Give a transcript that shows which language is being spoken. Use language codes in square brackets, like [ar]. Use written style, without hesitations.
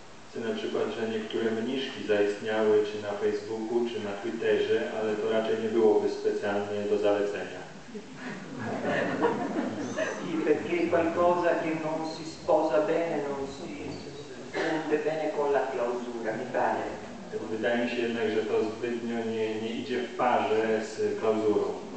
[pl] Chcę na przykład, że niektóre mniszki zaistniały czy na Facebooku, czy na Twitterze, ale to raczej nie byłoby specjalnie do zalecenia. [it] Sì, perché qualcosa che non si sposa bene, non si sente bene con la clausura, mi pare. [pl] Wydaje mi się jednak, że to zbytnio nie idzie w parze z klauzurą.